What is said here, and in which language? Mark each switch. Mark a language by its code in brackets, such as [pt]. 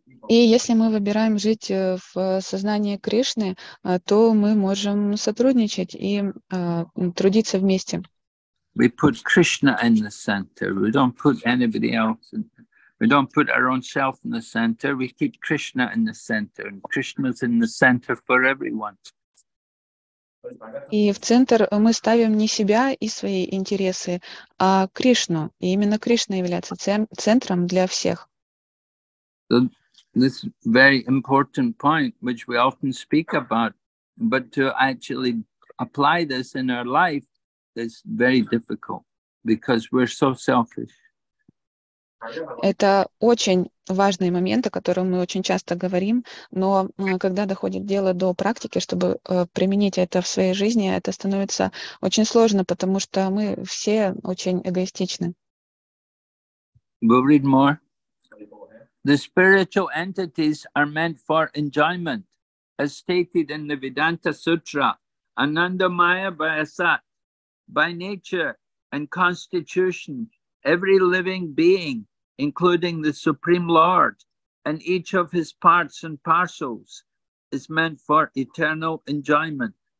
[ru] И если мы выбираем жить в сознании Кришны, то мы можем сотрудничать и трудиться вместе. [en] We put Krishna in the center. We don't put anybody else. We don't put our own self in the center. We keep Krishna in the center. And Krishna's in the center for everyone. [ru] И в центр мы ставим не себя и свои интересы, а Кришну. И именно Кришна является центром для всех. [en] So this very important point, which we often speak about, but to actually apply this in our life is very difficult because we're so selfish. [ru] Это очень важный момент, о котором мы очень часто говорим, но когда доходит дело до практики, чтобы применить это в своей жизни, это становится очень сложно, потому что мы все очень эгоистичны. [en] We'll read more. The spiritual entities are meant for enjoyment, as stated in the Vedanta Sutra, Anandamaya Bhayasat. By nature, and constitution every living being, including the Supreme Lord, and each of his parts and parcels is meant for eternal enjoyment.